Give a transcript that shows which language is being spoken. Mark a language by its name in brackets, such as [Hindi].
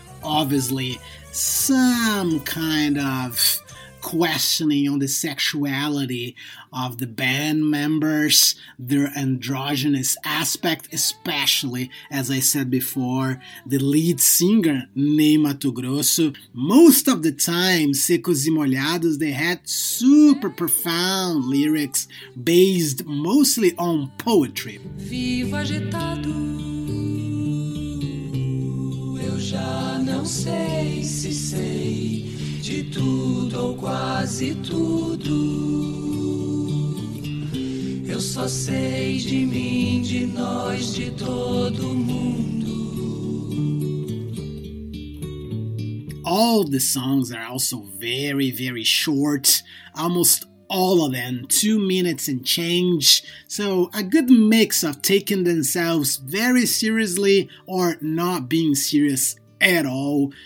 [English] Obviously, some kind of questioning on the sexuality of the band members, their androgynous aspect, especially, as I said before, the lead singer, Ney Matogrosso. Most of the time, Secos e Molhados, they had super profound lyrics based mostly on poetry. [Portuguese] Vivo agitado, eu já não sei se sei. De tudo ou quase tudo, eu só sei de mim, de nós, de todo mundo. [English] All the songs are also very, very short, almost all of them, 2 minutes and change, so a good mix of taking themselves very seriously or not being serious at all.